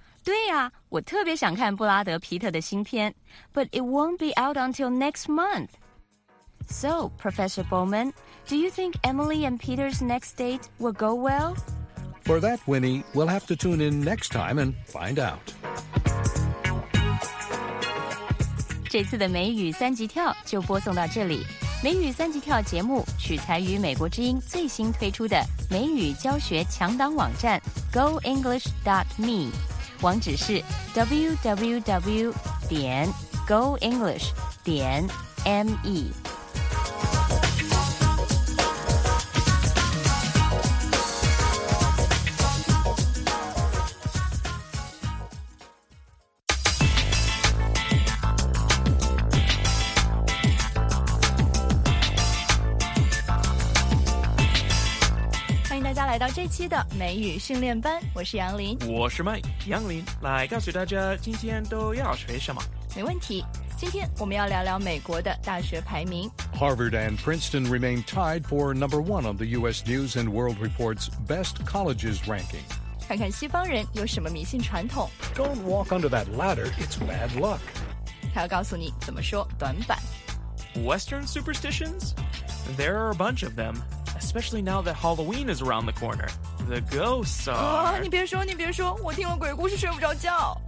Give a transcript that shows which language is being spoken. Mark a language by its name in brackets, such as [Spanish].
[Chinese] 对呀、啊，我特别想看布拉德·皮特的新片 ， [English] But it won't be out until next month. So, Professor Bowman, do you think Emily and Peter's next date will go well? For that, Winnie, we'll have to tune in next time and find out. [Chinese] 这次的美语三级跳就播送到这里。美语三级跳节目取材于美国之音最新推出的美语教学强档网站 GoEnglish.me。网址是 www.goenglish.me。来到这期的美语训练班，我是杨林，我是麦杨林，来告诉大家今天都要学什么。没问题，今天我们要聊聊美国的大学排名。 [English] Harvard and Princeton remain tied for number one on the U.S. News and World Report's Best Colleges ranking. [Chinese] 看看西方人有什么迷信传统。 [English] Don't walk under that ladder, it's bad luck. [Chinese] 他要告诉你怎么说短板。 [English] Western superstitions? There are a bunch of them, especially now that Halloween is around the corner. The ghosts are... [Chinese] 你别说，你别说，我听了鬼故事睡不着觉。